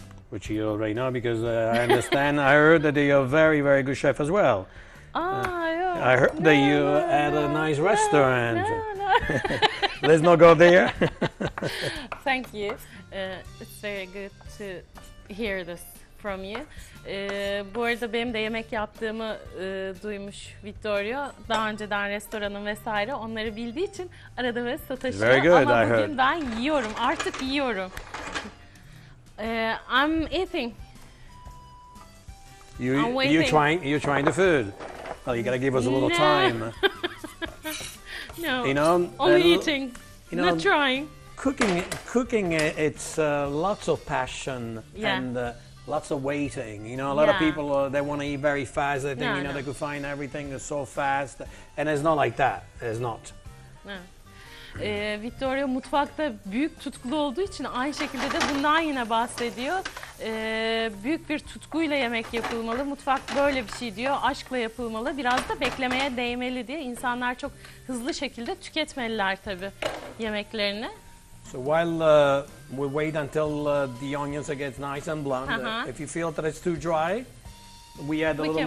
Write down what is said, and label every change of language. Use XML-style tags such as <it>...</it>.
<en>Which you already know because I understand. I heard that you're a very, very good chef as well. I heard that you had a nice restaurant. No. Let's not go there. Thank you. It's very good to hear this from you.</en> <tr>Bu arada benim de yemek yaptığımı duymuş Vittorio. Daha önceden restoranın vesaire onları bildiği için arada ve sataşıyor.</tr> <en>Very good,</en> <tr>ama</tr> <en>I</en> <tr>bugün Ben yiyorum, artık yiyorum.</tr> <en>I'm eating. You're trying the food. Well, you gotta give us a little time. No. You know, only eating. You know, not trying. Cooking it's lots of passion and lots of waiting. You know, a lot of people they want to eat very fast. They think they could find everything so fast, and it's not like that. It's not.</en> <tr>Vittorio mutfakta büyük tutkulu olduğu için aynı şekilde de bundan yine bahsediyor. Büyük bir tutkuyla yemek yapılmalı. Mutfak böyle bir şey diyor. Aşkla yapılmalı. Biraz da beklemeye değmeli diye. İnsanlar çok hızlı şekilde tüketmeliler tabii yemeklerini.</tr> <en>So while we wait until the onions are get nice and blonde, if you feel that it's too dry, we add a little</en>